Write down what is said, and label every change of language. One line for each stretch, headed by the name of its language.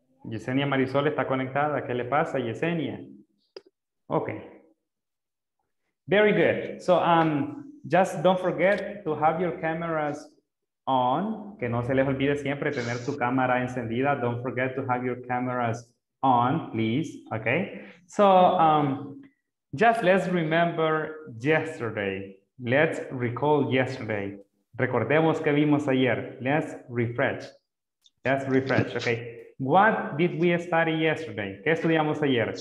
Spanish: Yesenia Marisol está conectada. ¿Qué le pasa, Yesenia? Okay.
English: Very good. So, just don't forget to have your cameras on.
Spanish: Que no se les olvide siempre tener su cámara encendida.
English: Don't forget to have your cameras on, please. Okay. So, just let's remember yesterday. Let's recall yesterday.
Spanish: Recordemos que vimos ayer.
English: Let's refresh. Let's refresh. Okay. What did we study yesterday?
Spanish: ¿Qué estudiamos ayer?